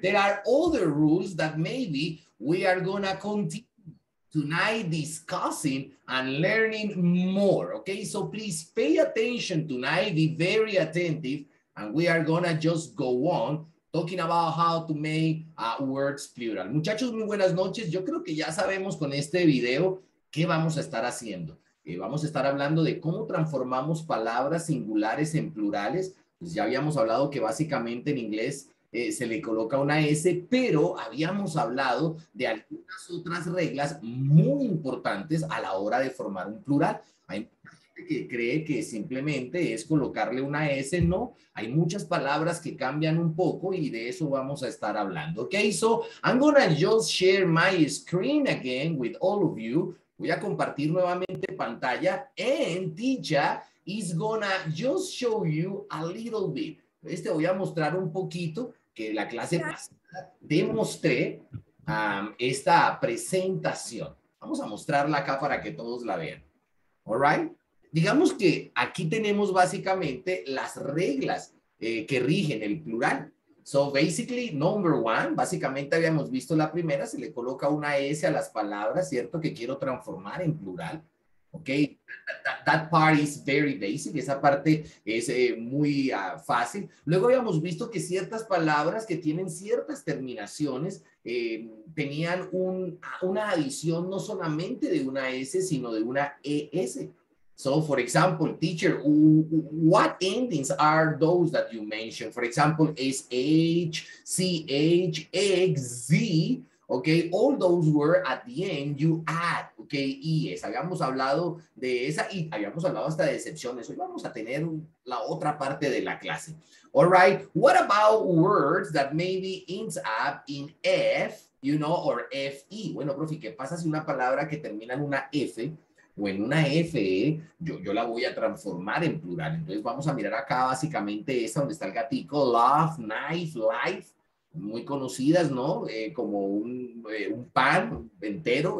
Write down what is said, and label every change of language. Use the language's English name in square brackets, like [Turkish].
[English] There are other rules that maybe we are gonna continue tonight discussing and learning more, okay? So please pay attention tonight, be very attentive, and we are gonna just go on talking about how to make words plural. [Spanish] Muchachos, muy buenas noches. Yo creo que ya sabemos con este video qué vamos a estar haciendo. Vamos a estar hablando de cómo transformamos palabras singulares en plurales. Pues ya habíamos hablado que básicamente en inglés se le coloca una S, pero habíamos hablado de algunas otras reglas muy importantes a la hora de formar un plural. Hay gente que cree que simplemente es colocarle una S, no. Hay muchas palabras que cambian un poco y de eso vamos a estar hablando. [English] Okay, so I'm gonna just share my screen again with all of you. [Spanish] Voy a compartir nuevamente pantalla [English] and teacher is gonna just show you a little bit. [Spanish] Este voy a mostrar un poquito que la clase pasada demostré esta presentación. Vamos a mostrarla acá para que todos la vean. [English] All right. [Spanish] Digamos que aquí tenemos básicamente las reglas que rigen el plural. [English] So basically, number one, [Spanish] básicamente habíamos visto la primera, se le coloca una S a las palabras, ¿cierto? Que quiero transformar en plural. [English] Okay, that part is very basic. [Spanish] Esa parte es muy fácil. Luego habíamos visto que ciertas palabras que tienen ciertas terminaciones tenían una adición no solamente de una S, sino de una ES. [English] So, for example, teacher, what endings are those that you mentioned? For example, SH, CH, XZ. Okay, all those words at the end you add, okay, ES. [Spanish] Habíamos hablado de esa y habíamos hablado hasta de excepciones. Hoy vamos a tener la otra parte de la clase. [English] All right, what about words that maybe ends up in F, you know, or FE? [Spanish] Bueno, profe, ¿qué pasa si una palabra que termina en una F o en una FE, yo la voy a transformar en plural? Entonces vamos a mirar acá básicamente esa donde está el gatico, love, knife, life. Muy conocidas, ¿no? Como un pan entero.